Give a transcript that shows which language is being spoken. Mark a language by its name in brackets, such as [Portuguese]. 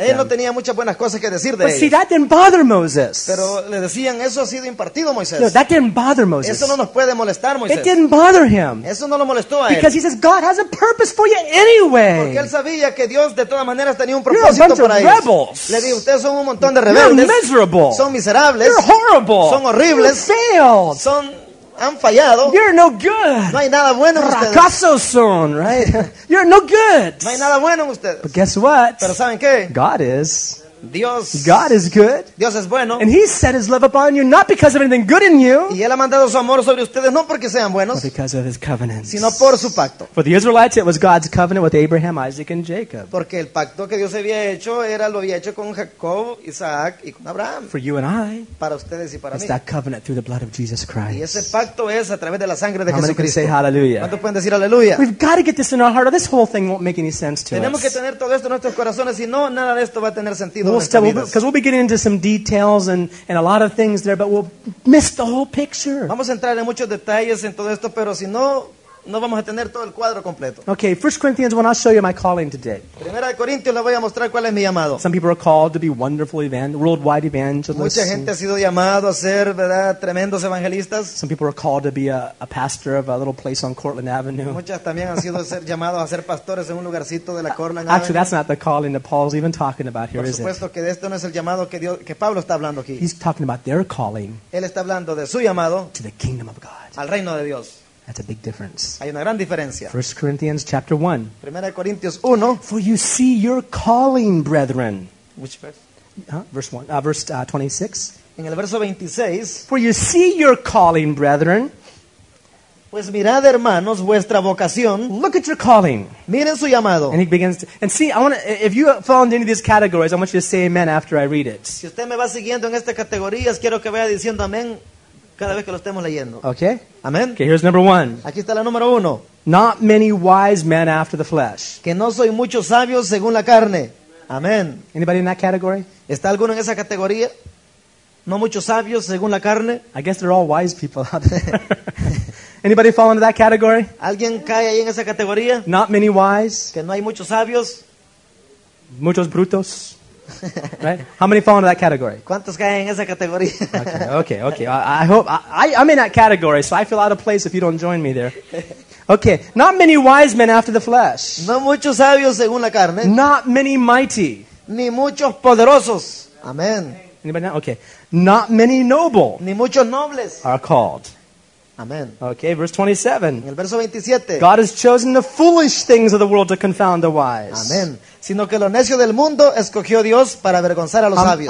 [English] them. [Spanish] Él no tenía muchas buenas cosas que decir de ellos. [English] But see, that didn't bother Moses. [Spanish] Pero le decían, eso ha sido impartido, Moisés. [English] No, that didn't bother Moses. [Spanish] Eso no nos puede molestar, Moisés. [English] It didn't bother him. [Spanish] Eso no lo molestó a él. [English] Because he says, God has a purpose for you anyway. [Spanish] Porque él sabía que Dios de todas maneras tenía un propósito para ellos. [English] You're a bunch of rebels. [Spanish] Le dijo, ustedes son un montón de rebeldes. [English] You're miserable. [Spanish] Son miserables. [English] You're horrible. [Spanish] Son horribles. [English] You failed. [Spanish] Son, han fallado. [English] You're no good. [Spanish] No hay nada bueno en ustedes. Fracasos son, [English] right? You're no good. [Spanish] No hay nada bueno en ustedes. [English] But guess what? [Spanish] Pero saben qué? [English] God is. [Spanish] Dios. [English] God is good. [Spanish] Dios es bueno. [English] And He set His love upon you not because of anything good in you. [Spanish] Y él ha mandado su amor sobre ustedes no porque sean buenos. [English] But because of His covenant. [Spanish] Sino por su pacto. [English] For the Israelites, it was God's covenant with Abraham, Isaac, and Jacob. [Spanish] Porque el pacto que Dios había hecho era lo había hecho con Jacob, Isaac, y con Abraham. [English] For you and I. [Spanish] Para ustedes y para [English] it's [Spanish] mí. [English] It's that covenant through the blood of Jesus Christ. [Spanish] Y ese pacto es a través de la sangre de [English] how [Spanish] Jesucristo. [English] How many can say hallelujah? [Spanish] ¿Cuántos pueden decir aleluya? [English] We've got to get this in our heart, or this whole thing won't make any sense to [Spanish] tenemos Tenemos que tener todo esto en nuestros corazones, si no, nada de esto va a tener sentido. [English] We'll be getting into some details and a lot of things there, but we'll miss the whole picture. [Spanish] Vamos a entrar en muchos detalles en todo esto, pero si no, no vamos a tener todo el cuadro completo. [English] Okay, 1 Corinthians 1, I'll show you my calling today. [Spanish] Primera de Corintios, le voy a mostrar cuál es mi llamado. [English] Some people are called to be wonderful worldwide evangelists. [Spanish] Mucha gente ha sido llamado a ser, ¿verdad?, tremendos evangelistas. [English] Some people are called to be a pastor of a little place on Cortland Avenue. [Spanish] Muchas también han sido ser llamados a ser pastores en un lugarcito de la Cortland [English] Actually, [Spanish] Avenue. [English] Actually, that's not the calling that Paul's even talking about here, is it? [Spanish] Por supuesto que esto no es el llamado que Dios, que Pablo está hablando aquí. [English] He's talking about their calling. [Spanish] Él está hablando de su llamado. [English] To the kingdom of God. [Spanish] Al reino de Dios. [English] That's a big difference. [Spanish] Hay una gran diferencia. [English] 1 Corinthians chapter 1. [Spanish] Primera de Corintios 1. [English] For you see your calling, brethren. Which verse? Verse 26. [Spanish] En el verso 26. [English] For you see your calling, brethren. [Spanish] Pues mirad, hermanos, vuestra vocación. [English] Look at your calling. [Spanish] Miren su llamado. [English] And he begins to, and see, I want to, if you fall into any of these categories, I want you to say amen after I read it. [Spanish] Si usted me va siguiendo en estas categorías, quiero que vaya diciendo amén. Cada vez que lo estemos leyendo. [English] Okay. Amen. Okay, here's number one. [Spanish] Aquí está la número uno. [English] Not many wise men after the flesh. [Spanish] Que no soy mucho sabio según la carne. [English] Amen. Anybody in that category? [Spanish] ¿Está alguno en esa categoría? No muchos sabios según la carne. [English] I guess they're all wise people out there. Anybody fall into that category? [Spanish] ¿Alguien cae ahí en esa categoría? [English] Not many wise. [Spanish] Que no hay muchos sabios. Muchos brutos. [English] Right? How many fall into that category? [Spanish] ¿Cuántos caen en esa categoría? [English] Okay. I hope I'm in that category, so I feel out of place if you don't join me there. Okay, not many wise men after the flesh. [Spanish] No muchos sabios según la carne. [English] Not many mighty. [Spanish] Ni muchos poderosos. Amen. [English] Anybody now? Okay. Not many noble. [Spanish] Ni muchos nobles. [English] Are called. Amen. Okay, verse 27. [Spanish] El verso 27. [English] God has chosen the foolish things of the world to confound the wise. Amen. [Spanish] Sino que lo necio del mundo escogió Dios para avergonzar a los sabios.